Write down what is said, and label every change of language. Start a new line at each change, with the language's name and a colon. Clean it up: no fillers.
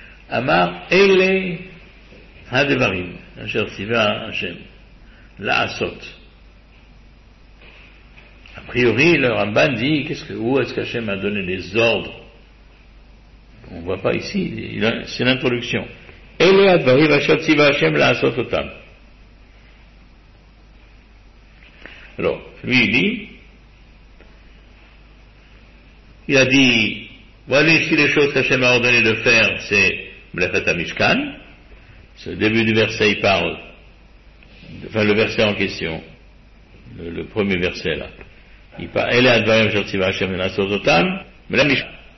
Hebrew: Amar ele הדברים אשר ציווה השם לעשות.
French: A priori, le Ramban dit, où est-ce qu'Hachem a donné les ordres? On ne voit pas ici, c'est l'introduction. Elle a dit,
Hebrew: אשר ציווה השם לעשות אותם.
French: Alors, lui il a dit, voilà ici les choses qu'Hachem a ordonné de faire, c'est מלאכת המשכן. Ce début du verset, il parle, enfin le verset en question, le premier verset là, il parle,
Hebrew: Ele advarim asher tziva Hashem la'asot otam, mela mishkan.